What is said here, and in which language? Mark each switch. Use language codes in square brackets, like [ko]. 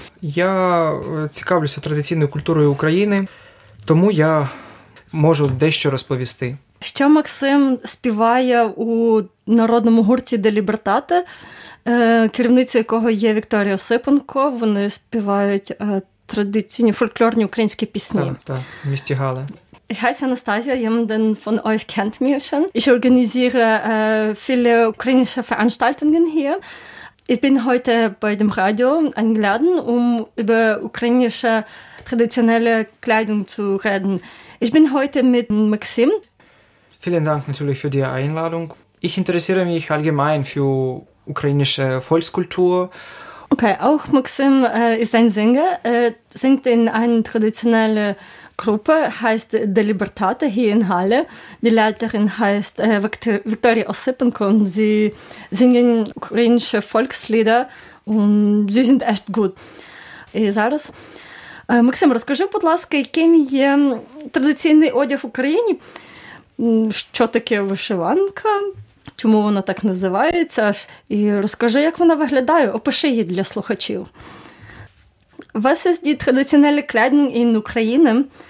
[uk] Я цікавлюся традиційною культурою України, тому я можу дещо розповісти. Що Максим співає у народному гурті «De Libertate», керівницею якого є Вікторія Осипенко. Вони співають традиційні фольклорні українські пісні. Так, в місті Гале. [de] Heißt Anastasia, jemanden von euch kennt mich schon. Ich organisiere viele ukrainische Veranstaltungen hier. Ich bin heute bei dem Radio eingeladen, über ukrainische traditionelle Kleidung zu reden. Ich bin heute mit Maxim. Vielen Dank natürlich für die Einladung. Ich interessiere mich allgemein für ukrainische Volkskultur Okay, auch Maxim ist ein Sänger. Singt in einer traditionellen Gruppe, heißt De Libertate hier in Halle. Die Leiterin heißt Viktoria Osipenko und sie singen ukrainische Volkslieder und sie sind echt gut. [uk] Зараз. Максим, розкажи, будь ласка, яким є традиційний одяг в Україні? Що таке вишиванка? Чому вона так називається? І розкажи, як вона виглядає? Опиши її для слухачів. [de] Was ist die traditionelle Kleidung in Ukraine?